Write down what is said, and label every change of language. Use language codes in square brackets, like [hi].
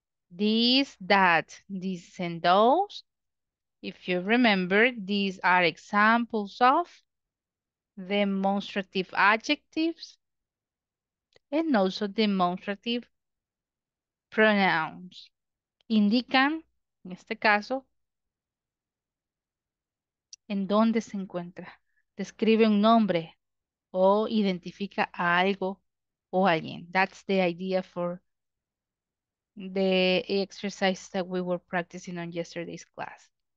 [en] This, that, this, and those. If you remember, these are examples of demonstrative adjectives and also demonstrative pronouns. [es] Indican, en este caso, en dónde se encuentra. Describe un nombre. o identifica a algo o alguien. [en] That's the idea for the exercise that we were practicing on yesterday's class.